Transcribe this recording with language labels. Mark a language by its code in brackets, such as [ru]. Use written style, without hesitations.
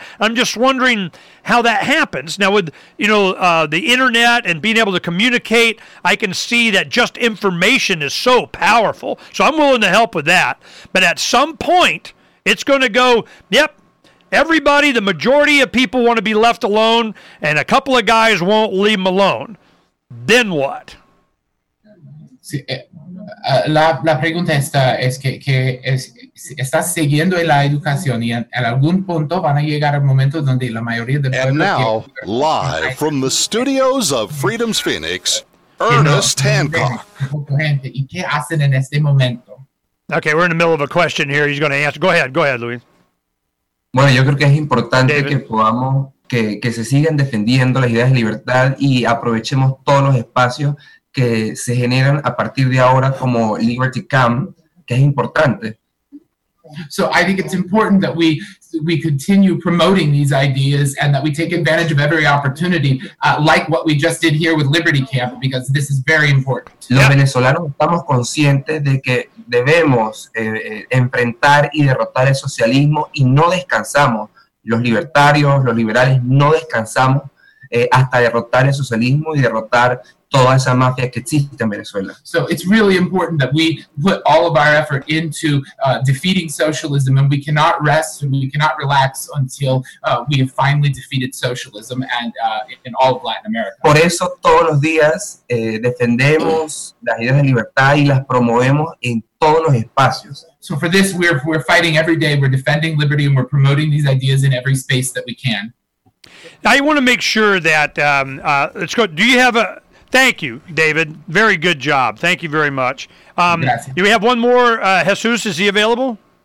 [en] I'm just wondering how that happens. Now, with, you know, the internet and being able to communicate, I can see that just information is so powerful. So I'm willing to help with that. But at some point, it's going to go, yep, everybody, the majority of people want to be left alone, and a couple of guys won't leave them alone. Then what? [es] Sí, la pregunta esta es que es, estás siguiendo la educación, y en algún punto van a llegar al momento donde la mayoría del [en] pueblo. And now, live from the studios of Freedom's Phoenix, Ernest Hancock. [es] ¿Y qué hacen en este momento? [en] Okay, we're in the middle of a question here. He's going to answer. Go ahead, Luis. [es] Bueno, yo creo que es importante David. Que podamos, que se sigan defendiendo las ideas de libertad y aprovechemos todos los espacios que se generan a partir de ahora como Liberty Camp, que es importante. [en] So I think it's important that we continue promoting these ideas and that we take advantage of every opportunity, like what we just did here with Liberty Camp, because this is very important. [es] Los venezolanos estamos conscientes de que debemos enfrentar y derrotar el socialismo y no descansamos. Los libertarios, los liberales, no descansamos hasta derrotar el socialismo y derrotar toda esa mafia que existe en Venezuela. [en] So it's really important that we put all of our effort into defeating socialism, and we cannot rest and we cannot relax until we have finally defeated socialism and in all of Latin America. [es] Por eso todos los días defendemos las ideas de libertad y las promovemos en todos los espacios. [en] So for this, we're fighting every day, we're defending liberty, and we're promoting these ideas in every space that we can. I want to make sure that, let's go, do you have a, thank you, David, very good job, thank you very much. Do we have one more, Jesus, is he available?